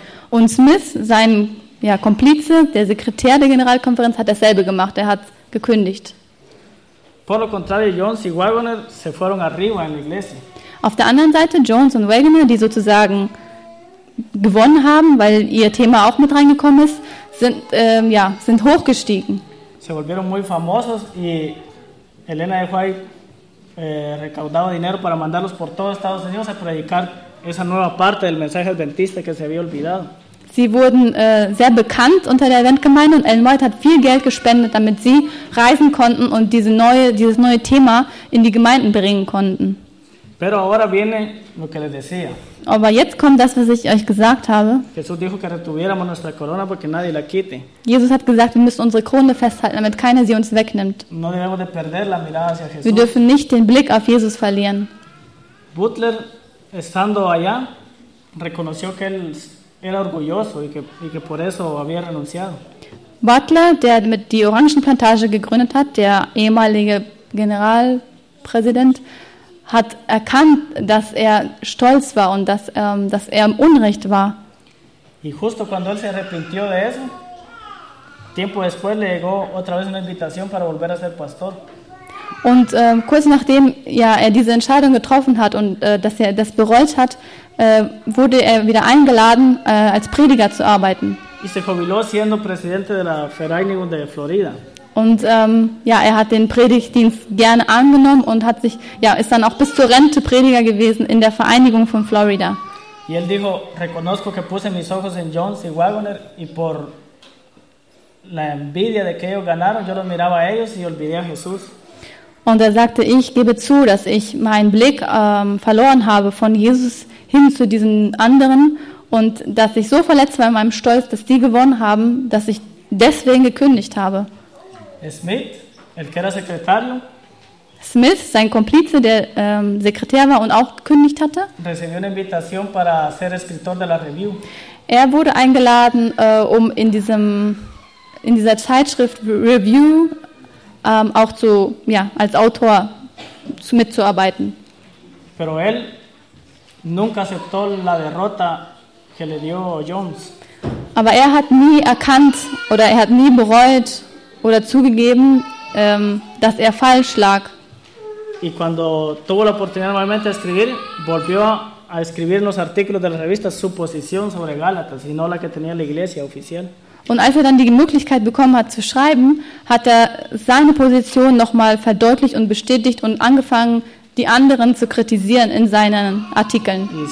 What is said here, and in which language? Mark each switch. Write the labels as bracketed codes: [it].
[de] Und Smith, sein Komplize, der Sekretär der Generalkonferenz, hat dasselbe gemacht. Er hat gekündigt. [es] Por lo contrario, Jones y Wagoner se fueron arriba en la iglesia. [de] Auf der anderen Seite, Jones und Wagoner, die sozusagen gewonnen haben, weil ihr Thema auch mit reingekommen ist, sind hochgestiegen. [es] Se volvieron muy famosos y Elena de White recaudaba dinero para mandarlos por todo Estados Unidos a predicar esa nueva parte del mensaje adventista que se había olvidado. [de] Sie wurden sehr bekannt unter der Eventgemeinde und Ellen White hat viel Geld gespendet, damit sie reisen konnten und dieses neue Thema in die Gemeinden bringen konnten. [es] Pero ahora viene lo que les decía. [de] Aber jetzt kommt das, was ich euch gesagt habe. [es] Jesús dijo que retuviéramos nuestra corona porque nadie la quite. [de] Jesus hat gesagt, wir müssen unsere Krone festhalten, damit keiner sie uns wegnimmt. [es] No debemos de perder la mirada hacia Jesús. [de] Wir dürfen nicht den Blick auf Jesus verlieren. [es] Butler, estando allá, reconoció que él era orgulloso y que por eso había renunciado. [de] Butler, der mit die Orangenplantage gegründet hat, der ehemalige Generalpräsident, hat erkannt, dass er stolz war und dass er im Unrecht war. [es] Y justo cuando él se arrepintió de eso, tiempo después le llegó otra vez una invitación para volver a ser pastor. [de] Und kurz nachdem er diese Entscheidung getroffen hat und dass er das bereut hat, wurde er wieder eingeladen, als Prediger zu arbeiten. [es] Y se jubiló siendo presidente de la Vereinigung de Florida. [de] Und er hat den Predigtdienst gerne angenommen und hat sich ist dann auch bis zur Rente Prediger gewesen in der Vereinigung von Florida. [es] Y él dijo, reconozco que puse mis ojos en Jones y Wagoner y por la envidia de que ellos ganaron, yo los miraba a ellos y olvidé a Jesús. [de] Und er sagte, ich gebe zu, dass ich meinen Blick verloren habe von Jesus hin zu diesen anderen und dass ich so verletzt war in meinem Stolz, dass die gewonnen haben, dass ich deswegen gekündigt habe. [es] Smith, el que era secretario, [de] Smith, sein Komplize, der Sekretär war und auch gekündigt hatte, [es] recibió una invitación para ser escritor de la review. [de] Er wurde eingeladen, um in dieser Zeitschrift Review auch zu, als Autor mitzuarbeiten. [es] Pero él nunca aceptó la derrota que le dio Jones. [de] Aber er hat nie erkannt oder er hat nie bereut oder zugegeben, dass er falsch lag. [es] Y cuando tuvo la oportunidad nuevamente de escribir, volvió a escribir en los artículos de la revista su posición sobre Gálatas, y no la que tenía la iglesia oficial. [de] Und als er dann die Möglichkeit bekommen hat zu schreiben, hat er seine Position nochmal verdeutlicht und bestätigt und angefangen, die anderen zu kritisieren in seinen Artikeln.